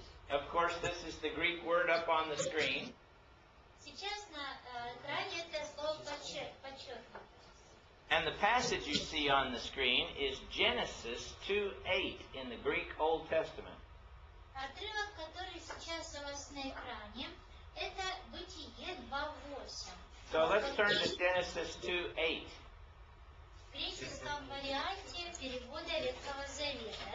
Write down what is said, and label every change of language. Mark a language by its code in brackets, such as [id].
[en] Of course, this is the Greek word up on the screen. [ru] Сейчас на экране это слово подчеркнуто. [en] And the passage you see on the screen is Genesis 2:8 in the Greek Old Testament. [ru] Отрывок, который сейчас у вас на экране, это Бытие 2:8. [en] So let's turn to Genesis 2:8. [ru] В греческом варианте перевода Ветхого Завета.